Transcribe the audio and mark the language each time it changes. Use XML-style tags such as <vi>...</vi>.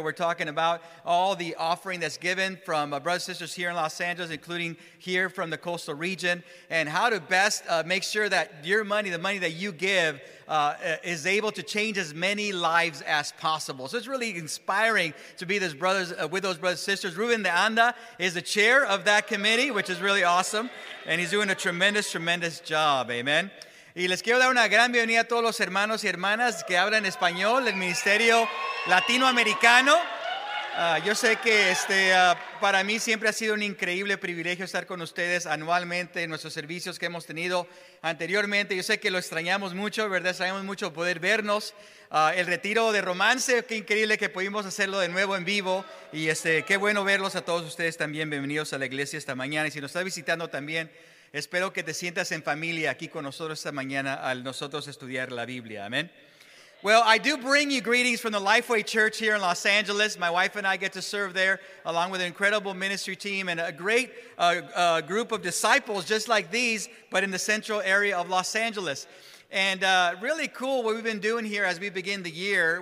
<en>We're talking about all the offering that's given from brothers and sisters here in Los Angeles, including here from the coastal region, and how to best make sure that your money, the money that you give, is able to change as many lives as possible. So it's really inspiring to be this brothers with those brothers and sisters. Ruben de Anda is the chair of that committee, which is really awesome, and he's doing a tremendous, tremendous job. Amen.</en> <es>Y les quiero dar una gran bienvenida a todos los hermanos y hermanas que hablan español, el Ministerio Latinoamericano. Yo sé que para mí siempre ha sido un increíble privilegio estar con ustedes anualmente en nuestros servicios que hemos tenido anteriormente. Yo sé que lo extrañamos mucho, ¿verdad? Extrañamos mucho poder vernos. El retiro de romance, qué increíble que pudimos hacerlo de nuevo en vivo. Y qué bueno verlos a todos ustedes también. Bienvenidos a la iglesia esta mañana. Y si nos está visitando también, espero que te sientas en familia aquí con nosotros esta mañana al nosotros estudiar la Biblia. Amén.</es> <en>Well, I do bring you greetings from the Lifeway Church here in Los Angeles. My wife and I get to serve there along with an incredible ministry team and a great group of disciples just like these, but in the central area of Los Angeles. And really cool what we've been doing here as we begin the year.</en>